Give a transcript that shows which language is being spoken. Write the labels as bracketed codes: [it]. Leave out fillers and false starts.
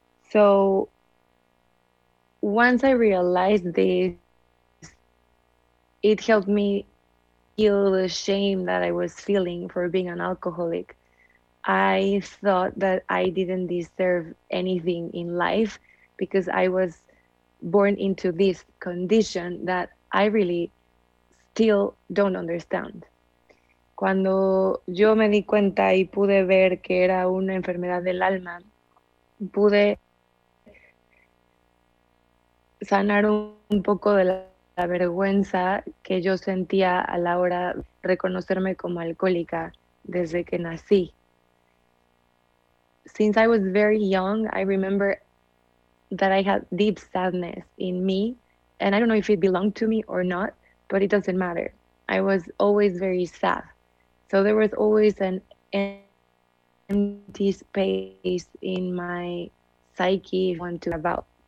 [en] So, once I realized this, it helped me heal the shame that I was feeling for being an alcoholic. I thought that I didn't deserve anything in life because I was born into this condition that I really still don't understand. [es] Cuando yo me di cuenta y pude ver que era una enfermedad del alma, pude sanar un poco de la vergüenza que yo sentía a la hora de reconocerme como alcohólica desde que nací. [en] Since I was very young, I remember that I had deep sadness in me, and I don't know if it belonged to me or not, but it doesn't matter. I was always very sad. So there was always an empty space in my psyche to wonder about.